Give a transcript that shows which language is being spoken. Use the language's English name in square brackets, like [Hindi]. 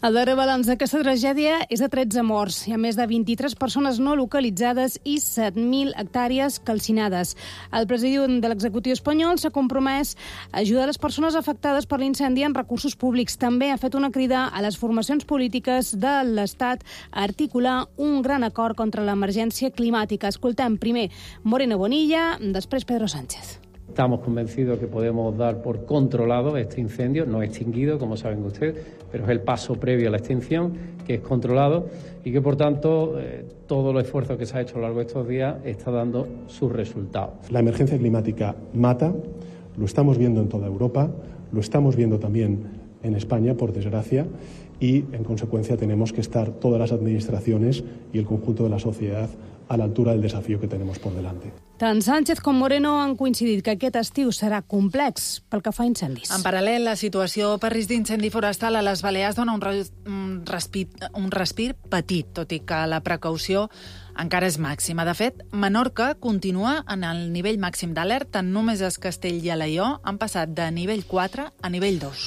[Catalan] El darrer balanç d'aquesta tragèdia és de 13 morts. Hi ha més de 23 persones no localitzades i 7.000 hectàrees calcinades. El president de l'executiu espanyol s'ha compromès a ajudar les persones afectades per l'incendi amb recursos públics. També ha fet una crida a les formacions polítiques de l'Estat a articular un gran acord contra l'emergència climàtica. Escoltem primer Moreno Bonilla, després Pedro Sánchez. [Spanish] Estamos convencidos que podemos dar por controlado este incendio, no extinguido, como saben ustedes, pero es el paso previo a la extinción, que es controlado y que, por tanto, todo el esfuerzo que se ha hecho a lo largo de estos días está dando sus resultados. La emergencia climática mata, lo estamos viendo en toda Europa, lo estamos viendo también en España, por desgracia, y, en consecuencia, tenemos que estar todas las administraciones y el conjunto de la sociedad a la altura del desafío que tenemos por delante. [Catalan] Tant Sánchez com Moreno han coincidit que aquest estiu serà complex pel que fa a incendis. En paral·lel, la situació per risc d'incendi forestal a les Balears dona un respir petit, tot i que la precaució encara és màxima. De fet, Menorca continua en el nivell màxim d'alerta. Només es Castell i Alaior han passat de nivell 4 a nivell 2.